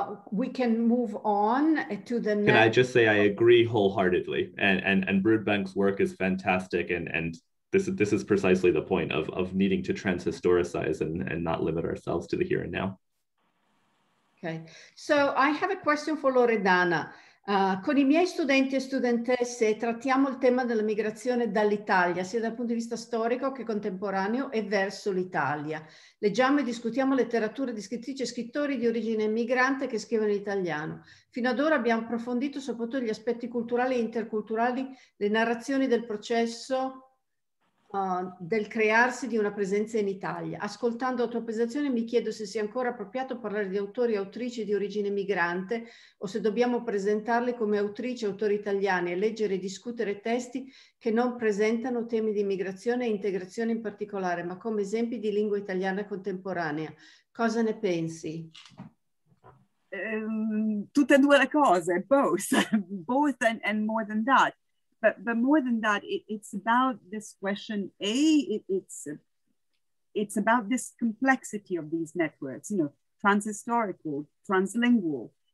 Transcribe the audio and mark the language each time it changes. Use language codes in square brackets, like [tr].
[en] We can move on to the next. Can I just say I agree wholeheartedly, and Birkbeck's work is fantastic, and this is precisely the point of needing to transhistoricize and not limit ourselves to the here and now. Okay, so I have a question for Loredana. [it] Con i miei studenti e studentesse trattiamo il tema della migrazione dall'Italia, sia dal punto di vista storico che contemporaneo e verso l'Italia. Leggiamo e discutiamo letterature di scrittrici e scrittori di origine migrante che scrivono in italiano. Fino ad ora abbiamo approfondito soprattutto gli aspetti culturali e interculturali, le narrazioni del processo del crearsi di una presenza in Italia. Ascoltando la tua presentazione mi chiedo se sia ancora appropriato parlare di autori e autrici di origine migrante o se dobbiamo presentarli come autrici e autori italiani e leggere e discutere testi che non presentano temi di migrazione e integrazione in particolare, ma come esempi di lingua italiana contemporanea. Cosa ne pensi? Tutte e due le cose, [en] both and more than that. But more than that, it's about this question. It's about this complexity of these networks, you know, transhistorical, translingual.